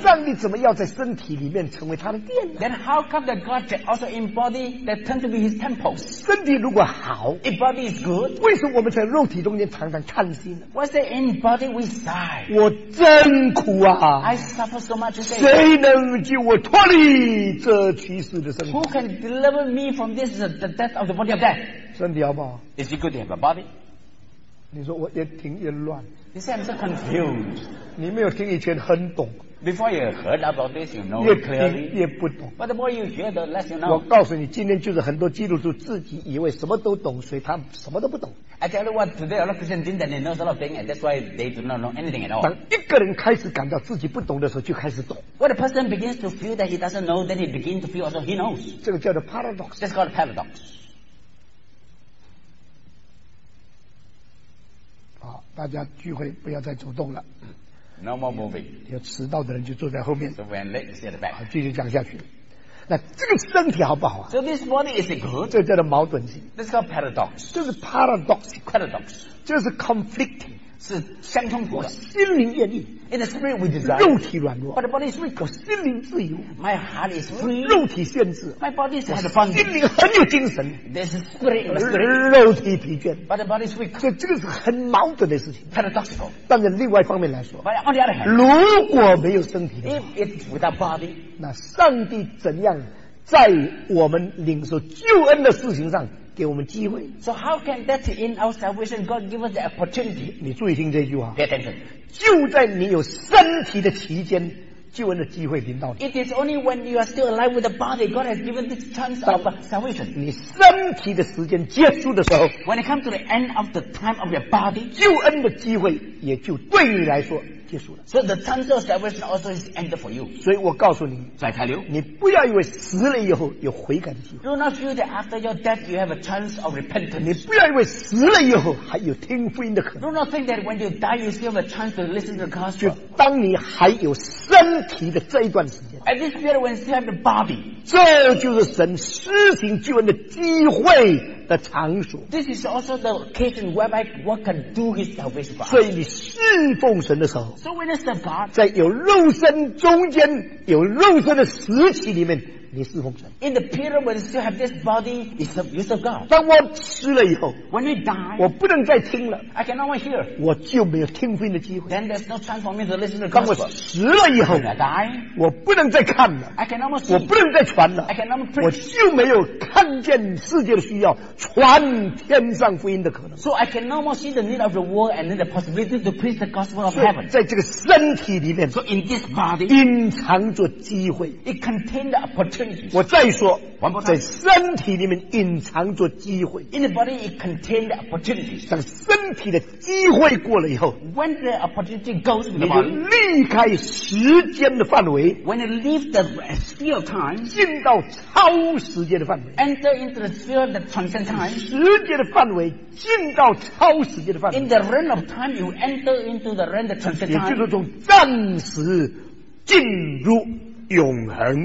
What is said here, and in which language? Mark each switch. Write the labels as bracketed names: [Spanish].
[Chinese] 上帝怎么要在身体里面成为他的殿 [English] then how come that God also in body that turn to be his temple [Chinese] 身体如果好 [English] if body is good [Chinese] 为什么我们在肉体中间常常叹息呢 [English] what's that in body we sigh [Chinese] 我真苦啊 [English] I suffer so much [Chinese] 谁能救我脱离这去世的身体 [English] Who can deliver me from this the death of the body of death [Chinese] 身体好不好 [English] Is it good to have a body [Chinese] 你说我越听越乱 [English] You say I'm so confused [Chinese] 你没有听以前很懂 [English] Before you heard about this you know it clearly [Chinese] 越不懂 [English] But the more you hear the less you know [Chinese] 我告诉你今天就是很多基督徒自己以为什么都懂所以他什么都不懂 [English] I tell you what, today a lot of Christians think that they know a lot of things and that's why they do not know anything at all. [Chinese] 当一个人开始感到自己不懂的时候就开始懂。 [English] When a person begins to feel that he doesn't know, then he begins to feel also he knows. [Chinese] 这个叫做 paradox. [English] That's called a paradox. [Chinese] 好，大家聚会不要再走动了。 [English] No more moving. [Chinese] 要迟到的人就坐在后面。 [English] So when late, you sit at the back. [Chinese] 好，继续讲下去。那这个身体好不好啊 [English] ？So this body is good. [Chinese] 这叫做矛盾性。 [English] This is called paradox. [Chinese] 这是 paradox, [English] paradox. [Chinese] 这是 conflicting, 是相冲突的。我心灵愿意 [English] ，in the spirit we desire. [Chinese] 肉体软弱 [English] ，but the body is weak. [Chinese] 我心灵自由 [English] ，my heart is free. [Chinese] 肉体限制 [English] ，my body is [Chinese] free. 我心灵很有精神 [English] ，there's spirit in the spirit. [Chinese] 肉体疲倦 [English] ，but the body is weak. [Chinese] 所以这个是很矛盾的事情 [English] ，paradoxical. [Chinese] 但是另外一方面来说 [English] ，but on the other hand, [Chinese] 如果没有身体 [English] ，if it's without body. [Chinese] 那上帝怎样在我们领受救恩的事情上给我们机会 [English] So how can that in our salvation God give us the opportunity [Chinese] 你注意听这句话 [English] Pay attention [Chinese] 就在你有身体的期间救恩的机会临到你 [English] It is only when you are still alive with the body God has given this chance of salvation [Chinese] 你身体的时间结束的时候 [English] When it comes to the end of the time of your body [Chinese] 救恩的机会也就对你来说结束了 [English] So the chance of salvation also is ended for you [Chinese] 所以我告诉你 [English] So I tell you [Chinese] 你不要以为死了以后有悔改的机会 [English] Do not feel that after your death you have a chance of repentance [Chinese] 你不要以为死了以后还有听福音的可能 [English] Do not think that when you die you still have a chance to listen to the gospel [Chinese] 就当你还有身体的这一段时间 [English] At this period when you still have the body [Chinese] 这就是神施行救恩的机会的场所 [English] This is also the occasion whereby God can do his salvation for us [Chinese] 所以你侍奉神的时候 [English] So when it's the God [Chinese] 在有肉身中间有肉身的时期里面你侍奉神 [English] In the period when you still have this body you serve God [Chinese] 当我死了以后 [English] When you die [Chinese] 我不能再听了 [English] I cannot hear [Chinese] 我就没有听福音的机会 [English] Then there's no chance for me to listen to God [Chinese] 当我死了以后 [English] When I die [Chinese] 我不能再看了 [English] I cannot see [Chinese] 我不能再传了 [English] I cannot preach [Chinese] 我就没有看见世界的需要传天上福音的可能 [English] So I cannot see the need of the world and the possibility to preach the gospel of heaven [Chinese] 在这个身体里面 [English] So in this body [Chinese] 隐藏着机会 [English] It contains the opportunity [Chinese] 我再说在身体里面隐藏着机会 [English] In the body it contains the opportunity [Chinese] 当身体的机会过了以后 [English] When the opportunity goes in the body [Chinese] 你就离开时间的范围 [English] When you leave the sphere of time [Chinese] 进到超时间的范围 [English] Enter into the sphere that transcends time [Chinese] 时间的范围进到超时间的范围 [English] In the realm of time you enter into the realm that transcends time [Chinese] 也就是从暂时进入永恒